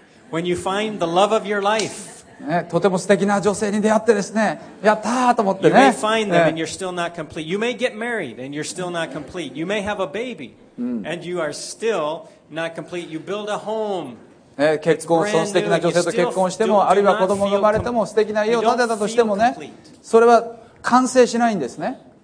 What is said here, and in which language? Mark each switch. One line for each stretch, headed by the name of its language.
English: When you find the love of your life,
Japanese: ね、とても素敵な女性に出会ってですね、やったーと思ってね。
English: You may find them and you're still not complete. You may get married and you're still not complete. You may have a baby and you are still not complete. You build a home.
Japanese: 結婚、その素敵な女性と結婚しても、あるいは子供が生まれても素敵な家を建てたとしてもね、それは完成しないんですね。